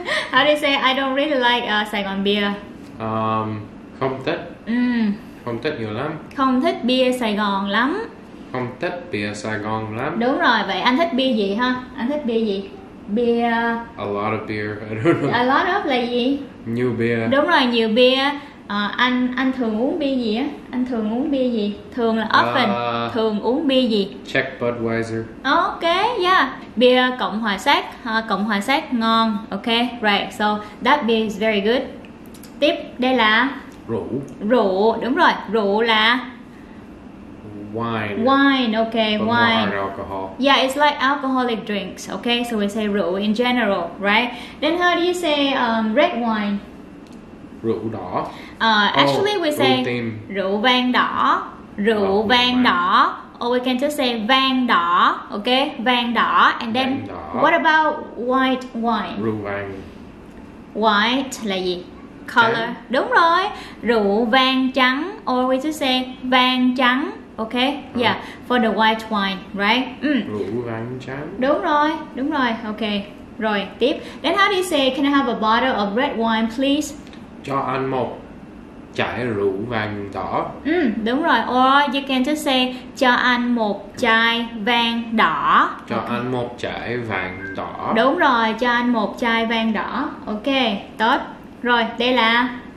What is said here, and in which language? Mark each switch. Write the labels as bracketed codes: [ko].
[en] How do you say I don't really like Saigon beer? [vi] Không thích. Không thích nhiều lắm. Không thích bia Sài Gòn lắm. không thích bia Saigon lắm. Đúng rồi, vậy anh thích bia gì ha? Anh thích bia gì? Bia... [en] A lot of beer, I don't know. [vi] A lot of là gì? Nhiều bia. Đúng rồi, nhiều bia. Anh thường uống bia gì á? Anh thường uống bia gì? Thường là often, thường uống bia gì? [en] Czech Budweiser. Ok, yeah. [vi] Bia Cộng Hòa Séc, Cộng Hòa Séc ngon. [en] Ok, right, so that beer is very good. [vi] Tiếp, đây là? Rượu. Rượu, đúng rồi, rượu là? [en] Wine. Wine, okay, but wine. More alcohol. Yeah, it's like alcoholic drinks, okay? So we say rượu in general, right? Then how do you say red wine? [vi] Rượu đỏ. [en] Actually, we say [vi] rượu vang đỏ. Rượu vang đỏ. [en] Or we can just say vang đỏ, okay? Vang đỏ. And then [vi] đỏ. [en] What about white wine? [vi] Rượu vang. White là gì? Color. Đen. Đúng rồi. Rượu vang trắng. [en] Or we just say vang trắng. Okay, yeah, for the white wine, right? [vi] Mm. Rượu vang trắng. Đúng rồi, okay. Rồi, tiếp. [en] Then how do you say, can I have a bottle of red wine, please? [vi] Cho anh một chai rượu vang đỏ. Mm, đúng rồi, [en] or you can just say, [vi] cho anh một chai vang đỏ. Cho anh một chai vang đỏ. Đúng rồi, cho anh một chai vang đỏ. Okay, tốt. Rồi, đây là?